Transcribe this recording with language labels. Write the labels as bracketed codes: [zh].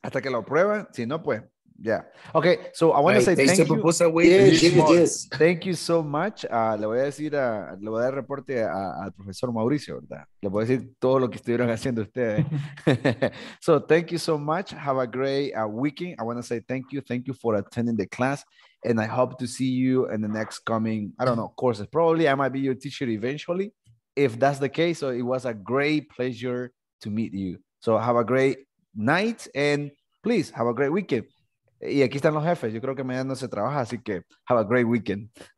[es] Hasta que lo prueban, si no, pues, yeah. [en] Okay, so I want to say thank you. Yes. Thank you so much. [es] Le voy a dar reporte al profesor Mauricio, ¿verdad? Le voy a decir todo lo que estuvieron haciendo ustedes. [en] So thank you so much. Have a great weekend. I want to say thank you. Thank you for attending the class. And I hope to see you in the next coming, I don't know, courses. Probably I might be your teacher eventually. If that's the case, so it was a great pleasure to meet you. So have a great night and please have a great weekend. [es] Y aquí están los jefes. Yo creo que mañana no se trabaja, así que [en] have a great weekend.